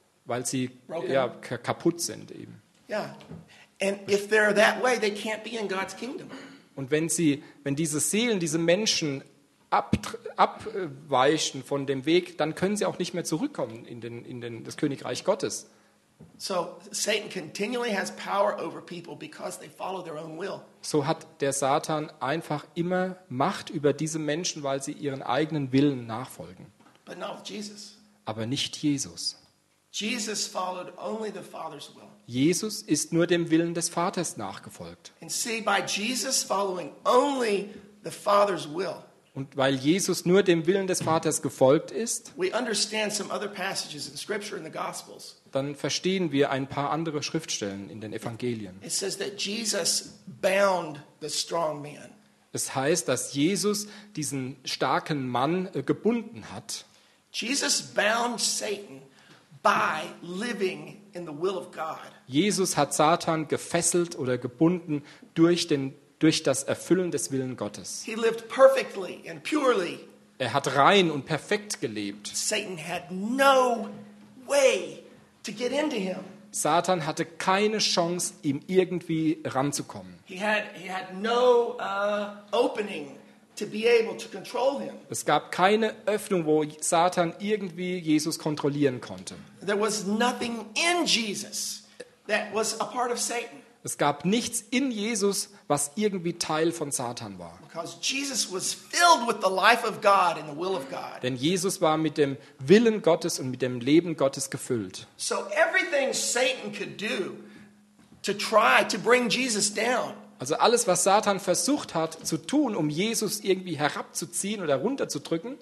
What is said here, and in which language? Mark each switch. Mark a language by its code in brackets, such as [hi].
[de] Weil sie broken. Ja kaputt sind eben. [en] Yeah, and if they're that way, they can't be in God's kingdom. [de] Und wenn diese Seelen, diese Menschen abweichen von dem Weg, dann können sie auch nicht mehr zurückkommen in das Königreich Gottes. [en] So Satan continually has power over people because they follow their own will. [de] So hat der Satan einfach immer Macht über diese Menschen, weil sie ihren eigenen Willen nachfolgen. [en] But not Jesus. [de] Aber nicht Jesus. [en] Jesus followed only the Father's will. [de] Jesus ist nur dem Willen des Vaters nachgefolgt. [en] And see, by Jesus following only the Father's will. [de] Und weil Jesus nur dem Willen des Vaters gefolgt ist, [en] we understand some other passages in Scripture in the Gospels. [de] Dann verstehen wir ein paar andere Schriftstellen in den Evangelien. [en] It says that Jesus bound the strong man. [de] Es heißt, dass Jesus diesen starken Mann gebunden hat. [en] Jesus bound Satan by living in the will of God. [de] Jesus hat Satan gefesselt oder gebunden durch das Erfüllen des Willen Gottes. [en] He lived perfectly and purely. [de] Er hat rein und perfekt gelebt. [en] Satan had no way to get into him. [de] Satan hatte keine Chance, ihm irgendwie ranzukommen. [en] He had no opening to be able to control him. [de] Es gab keine Öffnung, wo Satan irgendwie Jesus kontrollieren konnte. [en] There was nothing in Jesus that was a part of Satan. [de] Es gab nichts in Jesus, was irgendwie Teil von Satan war. [en] Because Jesus was filled with the life of God and the will of God. [de] Denn Jesus war mit dem Willen Gottes und mit dem Leben Gottes gefüllt. [en] So everything Satan could do to try to bring Jesus down. [de] Also alles, was Satan versucht hat zu tun, um Jesus irgendwie herabzuziehen oder runterzudrücken,